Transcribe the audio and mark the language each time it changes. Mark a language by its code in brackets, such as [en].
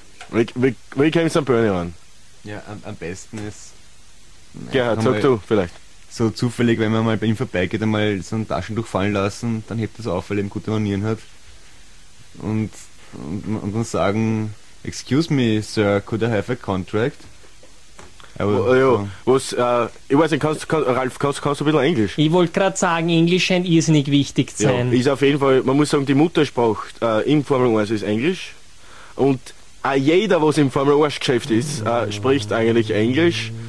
[de] Wie komme ich an Bernie ran? Ja, am besten ist... Gerhard, sag du vielleicht. So zufällig, wenn man mal bei ihm vorbeigeht, einmal so ein Taschentuch fallen lassen, dann hebt das auf, weil er eben gute Manieren hat. Und dann sagen... [en] Excuse me, sir, could I have a contract? [de] Ich weiß nicht, kannst du ein bisschen Englisch? Ich wollte gerade sagen, Englisch scheint irrsinnig wichtig zu sein. Ja, ist auf jeden Fall, man muss sagen, die Muttersprache im Formel 1 ist Englisch. Und jeder, was im Formel 1 Geschäft ist, spricht eigentlich Englisch.